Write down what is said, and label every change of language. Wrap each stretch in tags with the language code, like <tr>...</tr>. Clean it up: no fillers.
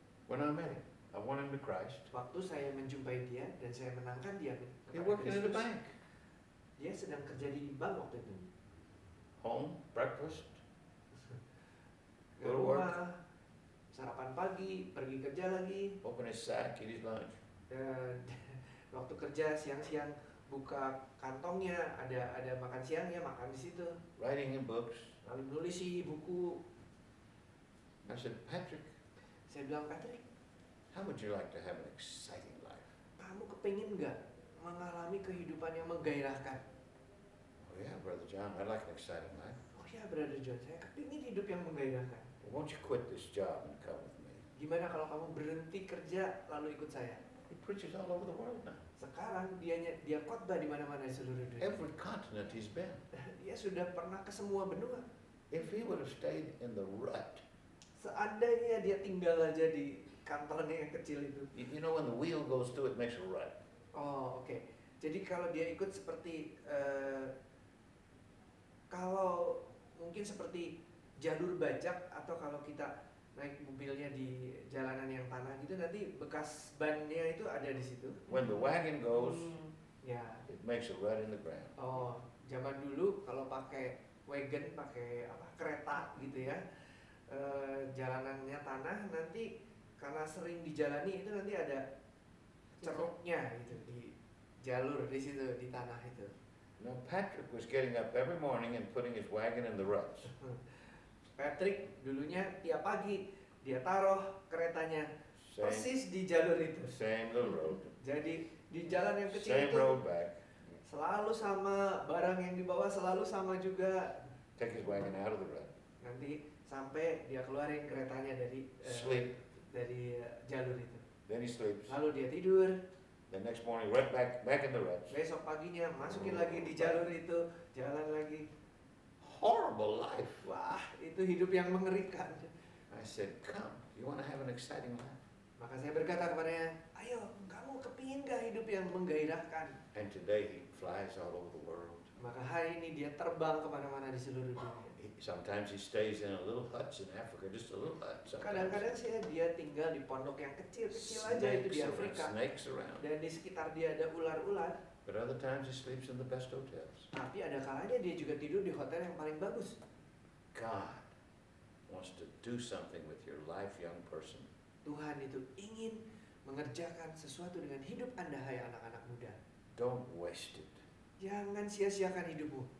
<en>When I met him, I won him to Christ.</en> <id>Waktu saya menjumpai dia dan saya menangkan dia.</id> <en>He worked at the bank.</en> <id>Dia sedang kerja di bank waktu itu.</id> <en>Home, breakfast, go to work.</en> <id>Sarapan pagi, pergi kerja lagi.</id> <en>Open his sack, eat his lunch.</en> <id>Waktu kerja siang-siang buka kantongnya ada makan siang ya makan di situ.</id> <en>Writing in books.</en> <id>Lalu nulis si buku.</id> <en>I said Patrick.</en> <id>Saya bilang Patrick.</id> <en>How would you like to have an exciting life?</en> <id>Kamu kepengen nggak mengalami kehidupan yang menggairahkan?</id> <en>Oh yeah, Brother John, I'd like an exciting life. Oh yeah,</en> <id>Brother John, saya kepingin hidup yang menggairahkan.</id> <en>Well, won't you quit this job and come with me?</en> <id>Gimana kalau kamu berhenti kerja lalu ikut saya?</id> <en>He preaches all over the world now.</en> <id>Sekarang dia khotbah di mana-mana di seluruh dunia.</id> <en>Every continent he's been.</en> <id>Dia sudah pernah ke semua benua.</id> <en>If he would have stayed in the rut.</en> <id>Seandainya dia tinggal aja di kantornya yang kecil itu.</id> <en>You know when the wheel goes through, it makes a rut. Oh, okay.</en> <id>Jadi kalau dia ikut seperti kalau mungkin seperti jalur bajak atau kalau kita naik mobilnya di jalanan yang tanah gitu nanti bekas bannya itu ada di situ.</id> <en>When the wagon goes, yeah, it makes a rut in the ground.</en> <id>Oh, zaman dulu kalau pakai wagon, pakai apa kereta gitu ya, jalanannya tanah nanti karena sering dijalani itu nanti ada ceruknya gitu di jalur di situ di tanah itu.</id> <en>Now Patrick was getting up every morning and putting his wagon in the ruts.</en> <id>Patrick dulunya tiap pagi dia taruh keretanya persis di jalur itu.</id> <en>Same little road.</en> <id>Jadi di jalan yang kecil</id> <en>same</en> <id>itu.</id> <en>Same road back.</en> <id>Selalu sama barang yang dibawa selalu sama juga.</id> <en>Take his wagon out of the rut.</en> <id>Nanti sampai dia keluarin keretanya dari</id> <en>sleep.</en> <id>Dari jalur itu.</id> <en>Then he sleeps.</en> <id>Lalu dia tidur.</id> <en>The next morning, right back in the ruts.</en> <id>Besok paginya masukin lagi di jalur itu, jalan lagi.</id> <en>Horrible life.</en> <id>Wah, itu hidup yang mengerikan.</id> <en>I said, come, you want to have an exciting life?</en> <id>Maka saya berkata kepadanya, ayo, kamu kepingin gak hidup yang menggairahkan?</id> <en>And today he flies all over the world.</en> <id>Maka hari ini dia terbang kemana-mana di seluruh dunia.</id> <en>Sometimes he stays in a little hut in Africa, just a little hut.</en> <id>Kadang-kadang sih dia tinggal di pondok yang kecil-kecil aja itu di Afrika.</id> <en>Snakes around.</en> <id>Dan di sekitar dia ada ular-ular.</id> <en>But other times he sleeps in the best hotels.</en> <id>Tapi ada kalanya dia juga tidur di hotel yang paling bagus.</id> <en>God wants to do something with your life, young person.</en> <id>Tuhan itu ingin mengerjakan sesuatu dengan hidup Anda, hai anak-anak muda.</id> <en>Don't waste it.</en> <id>Jangan sia-siakan hidupmu.</id>